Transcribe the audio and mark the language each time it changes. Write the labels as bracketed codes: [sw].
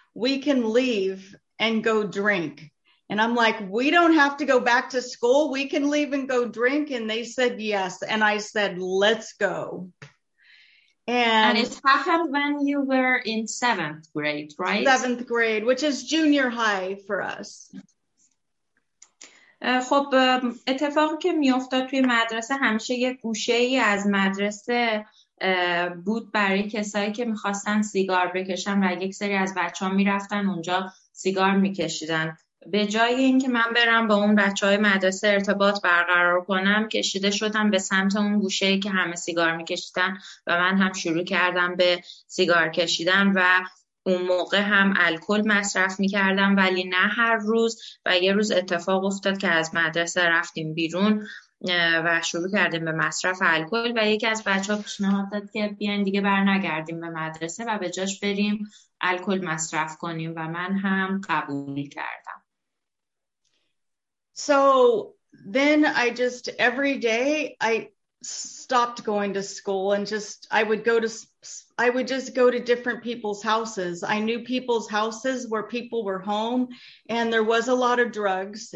[en] We can leave and go drink. And I'm like, we don't have to go back to school. We can leave and go drink. And they said, yes. And I said, let's go. And it happened when you were in seventh grade, right? Seventh grade, which is junior high for us. [fa] خب اتفاقی که می افتاد توی مدرسه همیشه یه گوشه ای از مدرسه بود برای کسایی که می خواستن سیگار بکشن و یک سری از بچه ها می رفتن اونجا سیگار می کشیدن. به جای اینکه من برم با اون بچه های مدرسه ارتباط برقرار کنم، کشیده شدم به سمت اون گوشه ای که همه سیگار می کشیدن و من هم شروع کردم به سیگار کشیدن و اون موقع هم الکل مصرف می‌کردم، ولی نه هر روز. و یه روز اتفاق افتاد که از مدرسه رفتیم بیرون و شروع کردیم به مصرف الکل و یکی از بچه‌ها پیشنهاد داد که بیاین دیگه برنگردیم به مدرسه و به جاش بریم الکل مصرف کنیم و من هم قبول کردم. [en] So then I just every day I stopped going to school and just I would just go to different people's houses. I knew people's houses where people were home and there was a lot of drugs.